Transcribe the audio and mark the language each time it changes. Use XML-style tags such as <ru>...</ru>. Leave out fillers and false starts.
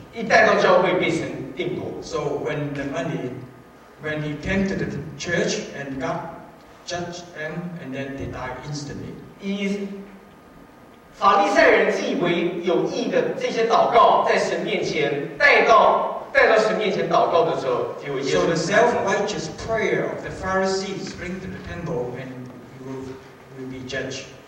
<en>So when the money, when he came to the church and God judged them, and then they died instantly.</en> <zh>法利赛人自以为有意的这些祷告，在神面前带到神面前祷告的时候，结果耶稣。</zh> <en>So the self-righteous prayer of the Pharisees bring to the temple and will be judged.</en>